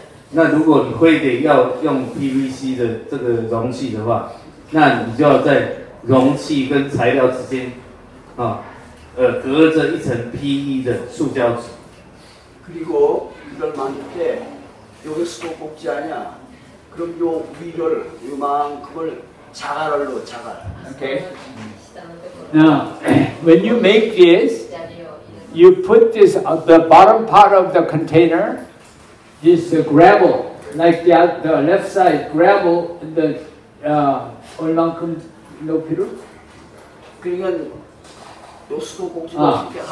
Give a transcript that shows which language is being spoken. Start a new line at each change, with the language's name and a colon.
Chinese: 那如果你会得要用 PVC 的这个容器的话，那你就要在容器跟材料之间，隔着一层 PE 的塑胶纸。
Korean: 그리고 이걸 만들 때 여기 수도꼭지 아니야? 그럼 요 위를 요만큼을 자갈로 자갈. 오케이.
English: Now, when you make this, you put this at the bottom part of the container, this gravel, like the left side gravel, the
Korean: 얼만큼 높이로? 그러니까 요 수도 공지로 한